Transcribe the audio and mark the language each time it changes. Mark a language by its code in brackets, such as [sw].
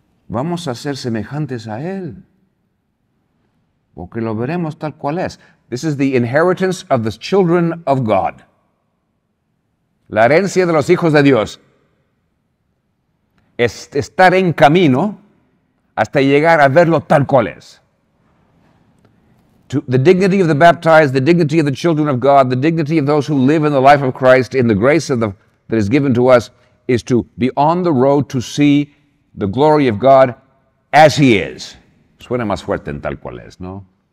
[es] Vamos a ser semejantes a él, porque lo veremos tal cual es. [en] This is the inheritance of the children of God. [es] La herencia de los hijos de Dios. Es estar en camino hasta llegar a verlo tal cual es. [en] To the dignity of the baptized, the dignity of the children of God, the dignity of those who live in the life of Christ, in the grace of that is given to us, is to be on the road to see the glory of God as he is. [es] Suena más fuerte en tal cual es, ¿no?